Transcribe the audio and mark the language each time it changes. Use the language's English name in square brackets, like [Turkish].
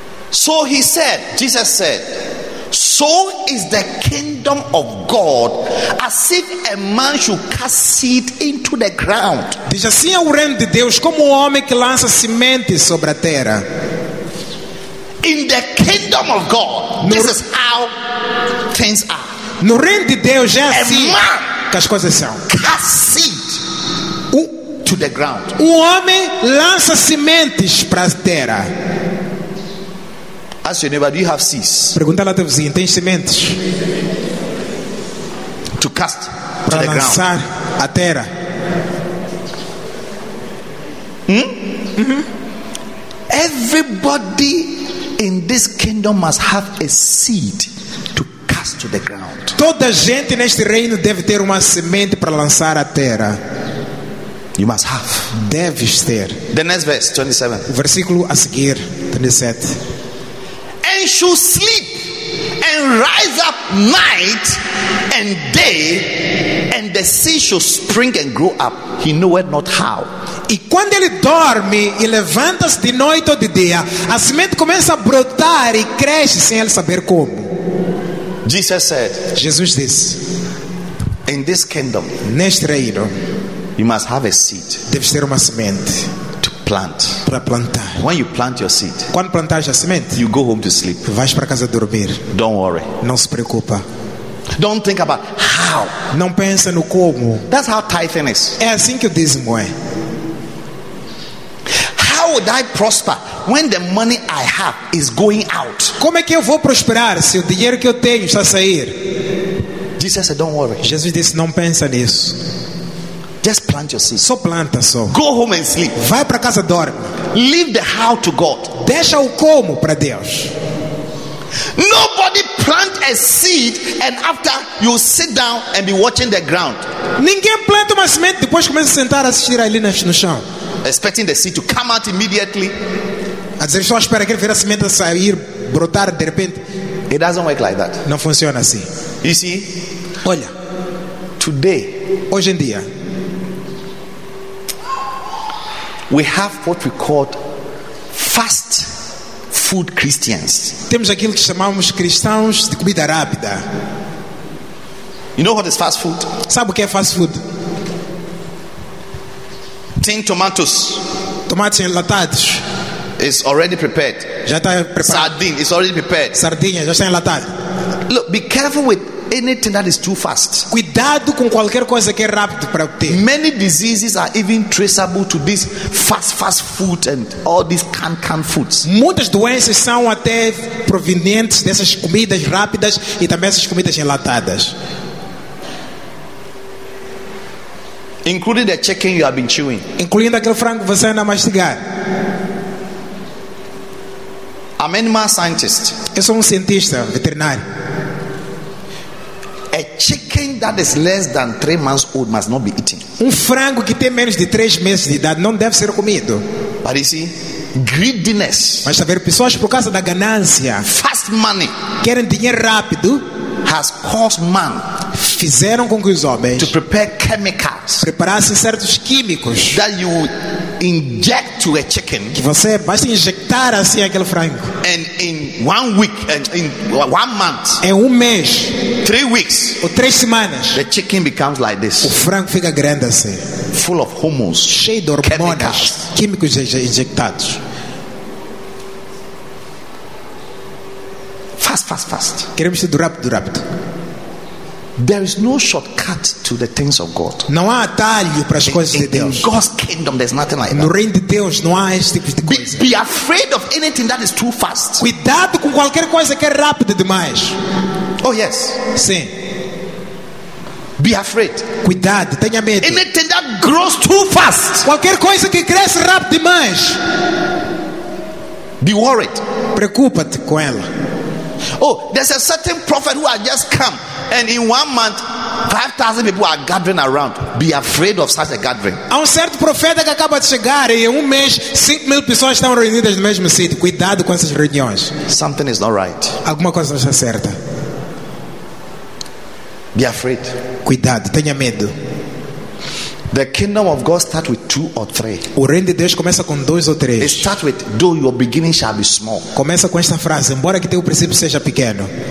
[English] So he said, Jesus said, so is the kingdom of God, as if a man should cast seed into the ground. [Portuguese] Diz assim é o reino de Deus, como um homem que lança semente sobre a terra. [English] In the kingdom of God, this is how things are. [Portuguese] No reino de Deus é assim. [English] A man [Portuguese] que as coisas são. [English] Cast seed. To the ground. [Portuguese] O homem lança sementes para a terra. [English] Ask your neighbor, do you have seeds? [Portuguese] Pergunta lá teu vizinho, tem sementes? [English] To cast [Portuguese] para [English] to [Portuguese] lançar [English] the ground. [Portuguese] A terra. Mm-hmm. [English] Everybody in this kingdom must have a seed to cast to the ground. [Portuguese] Toda gente neste reino deve ter uma semente para lançar à terra. [English] You must have. [Portuguese] Deves ter. [English] The next verse, 27. [Portuguese] O versículo a seguir, 27. [English] And should sleep and rise up night and day, and the seed should spring and grow up. He knoweth not how. [Portuguese] E quando ele dorme e levanta-se de noite ou de dia, a semente começa a brotar e cresce sem ele saber como. [English] Jesus said. [Portuguese] Jesus disse. [English] In this kingdom. [Portuguese] Neste reino. [English] You must have a seed. [Portuguese] Deves ter uma semente [English] to plant. [Portuguese] Para plantar. [English] When you plant your seed. [Portuguese] Quando plantares a semente. [English] You go home to sleep. [Portuguese] Vais para casa dormir. [English] Don't worry. [Portuguese] Não se preocupa. [English] Don't think about how. [Portuguese] Não pensa no como. [English] That's how tithing is. [Portuguese] É assim que o dízimo é. [English] How would I prosper when the money I have is going out? [Portuguese] Como é que eu vou prosperar se o dinheiro que eu tenho está a sair? [English] Jesus said, don't worry. [Portuguese] Jesus disse, não pensa nisso. [English] Just plant your seed. [Portuguese] Só planta só. [English] Go home and sleep. [Portuguese] Vai para casa dorme. [English] Leave the how to God. [Portuguese] Deixa o como para Deus. [English] Nobody plant a seed and after you sit down and be watching the ground. [Portuguese] Ninguém planta uma semente depois começa a sentar a assistir ali no chão. [English] Expecting the seed to come out immediately. [Portuguese] A dizer só espera que ver a semente sair brotar de repente. [English] It doesn't work like that. [Portuguese] Não funciona assim. [English] You see? [Portuguese] Olha. [English] Today. [Portuguese] Hoje em dia. [English] We have what we call fast food Christians. [Portuguese] Temos aquilo que chamamos cristãos de comida rápida. [English] You know what is fast food? [Portuguese] Sabe o que é fast food? [English] tin tomatoes. [Portuguese] Tomates enlatados. [English] It's already prepared. [Portuguese] Já está preparado. [English] Sardine, it's already prepared. [Portuguese] Sardinha já está enlatada. [English] Look, be careful with anything that is too fast. [Portuguese] Cuidado com qualquer coisa que é rápido para obter. [English] Many diseases are even traceable to this fast food and all these canned foods. [Portuguese] Muitas doenças são até provenientes dessas comidas rápidas e também essas comidas enlatadas. [English] Including the chicken you have been chewing. [Portuguese] Incluindo aquele frango que você anda a mastigar. [English] I'm an animal scientist. [Portuguese] Eu sou cientista veterinário. [English] A chicken that is less than 3 months old must not be eaten. [Portuguese] Frango que tem menos de 3 meses de idade não deve ser comido. [English] But you see, greediness. [Portuguese] Mas haver pessoas por causa da ganância, [English] fast money, [Portuguese] querem dinheiro rápido, [English] has caused man. [Portuguese] Fizeram com que os homens [English] to prepare chemicals, [Portuguese] preparassem certos químicos [English] that you inject to a chicken, [Portuguese] que você basta injetar assim aquele frango, [English] and in 1 week, and in 1 month, [Portuguese] em 1 mês, [English] 3 weeks, [Portuguese] ou 3 semanas, [English] the chicken becomes like this. [Portuguese] O frango fica grande assim, [English] full of hormones, [Portuguese] cheio de hormonas, químicos injetados. [English] Fast. [Portuguese] Queremos tudo rápido. [English] There is no shortcut to the things of God. [Portuguese] Não há atalho para as coisas de Deus. [English] In God's kingdom, there's nothing like that. [Portuguese] No reino de Deus não há este tipo de coisa. [English] Be afraid of anything that is too fast. [Portuguese] Cuidado com qualquer coisa que é rápido demais. [English] Oh yes. [Portuguese] Sim. [English] Be afraid. [Portuguese] Cuidado, tenha medo. [English] Anything that grows too fast. [Portuguese] Qualquer coisa que cresce rápido demais. [English] Be worried. [Portuguese] Preocupa-te com ela. [English] Oh, there's a certain prophet who had just come, and in 1 month, 5,000 people are gathering around. Be afraid of such a gathering. [Portuguese] Há certo profeta que acaba de chegar e em 1 mês 5,000 pessoas estão reunidas no mesmo sítio. Cuidado com essas reuniões. [English] Something is not right. [Portuguese] Alguma coisa não está certa. [English] Be afraid. [Portuguese] Cuidado. Tenha medo. [English] The kingdom of God starts with 2 or 3. [Portuguese] O reino de Deus começa com 2 ou 3. [English] It starts with, though your beginning shall be small. [Portuguese] Começa com esta frase, embora que teu princípio seja pequeno.